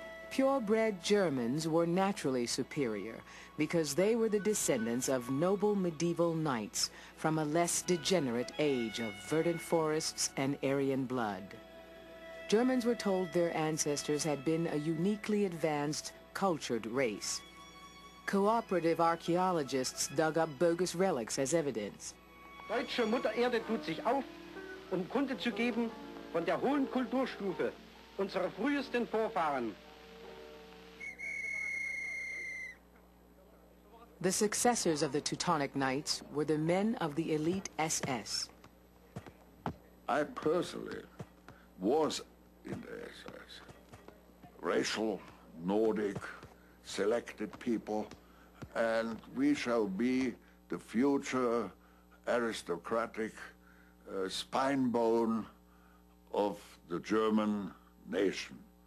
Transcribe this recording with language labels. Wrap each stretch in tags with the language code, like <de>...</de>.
<en>Purebred Germans were naturally superior because they were the descendants of noble medieval knights from a less degenerate age of verdant forests and Aryan blood. Germans were told their ancestors had been a uniquely advanced, cultured race. Cooperative archaeologists dug up bogus relics as evidence.</en> <de>Deutsche Mutter Erde tut sich auf, um Kunde zu geben von der hohen Kulturstufe unserer frühesten Vorfahren.</de> <en>The successors of the Teutonic Knights were the men of the elite SS. I personally was in the SS. Racial, Nordic, selected people, and we shall be the future aristocratic spinebone of the German nation.</en>